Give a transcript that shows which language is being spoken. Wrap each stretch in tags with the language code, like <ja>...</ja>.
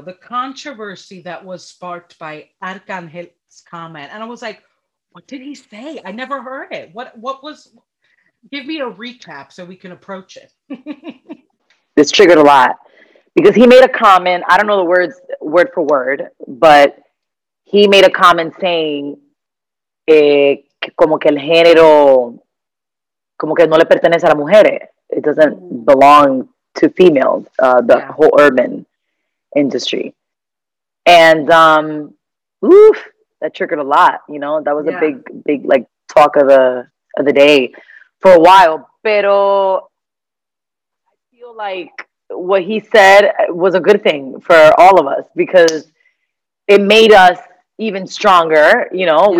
<en>The controversy that was sparked by Arcángel's comment. And I was like, what did he say? I never heard it. What was... Give me a recap so we can approach it. This triggered a lot. Because he made a comment. I don't know the words word for word, but... He made a comment saying,</en> <es>como que el género, como que no le pertenece a las mujeres.</es> <en>It doesn't belong to females, the whole urban industry. And, oof, that triggered a lot, you know, that was a big like talk of the day for a while. Pero I feel like what he said was a good thing for all of us because it made us even stronger, you know.</en>